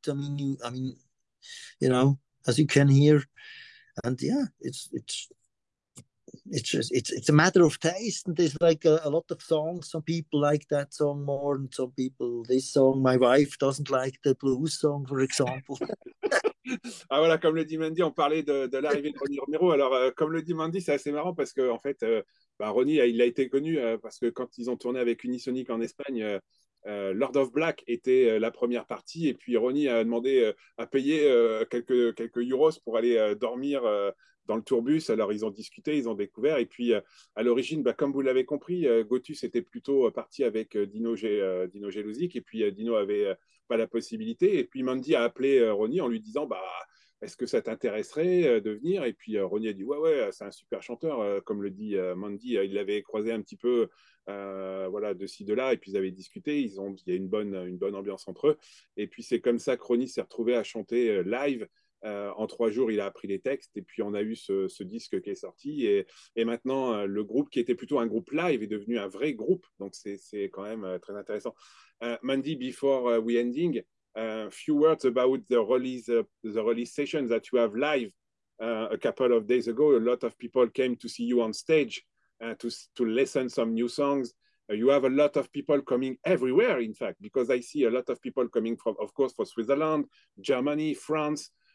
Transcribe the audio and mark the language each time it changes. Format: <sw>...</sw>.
<en>I mean, you know, as you can hear. And yeah, it's a matter of taste, and there's like a lot of songs. Some people like that song more, and some people this song. My wife doesn't like the blues song, for example.</en> <fr>Ah voilà, comme le dit Mandy, on parlait de l'arrivée de Ronnie Romero. Alors, comme le dit Mandy, c'est assez marrant parce que en fait, Ronnie, il a été connu parce que quand ils ont tourné avec Unisonic en Espagne. Lord of Black était la première partie, et puis Ronnie a demandé à payer quelques euros pour aller dormir dans le tourbus. Alors ils ont discuté, ils ont découvert, et puis à l'origine, bah, comme vous l'avez compris, Gotus était plutôt parti avec Dino Jelusic, et puis Dino avait pas la possibilité, et puis Mandy a appelé Ronnie en lui disant bah, est-ce que ça t'intéresserait de venir? Et puis Ronnie a dit ouais, c'est un super chanteur, comme le dit Mandy. Il l'avait croisé un petit peu voilà, de ci, de là, et puis ils avaient discuté. Il y a une bonne ambiance entre eux. Et puis c'est comme ça que Ronnie s'est retrouvé à chanter live. En 3 jours, il a appris les textes, et puis on a eu ce disque qui est sorti. Et maintenant, le groupe qui était plutôt un groupe live est devenu un vrai groupe. Donc c'est quand même très intéressant.</fr> <en>Mandy, before we ending, a few words about the release session that you have live a couple of days ago. A lot of people came to see you on stage to listen some new songs. You have a lot of people coming everywhere, in fact, because I see a lot of people coming from, of course, for Switzerland, Germany, France.</en>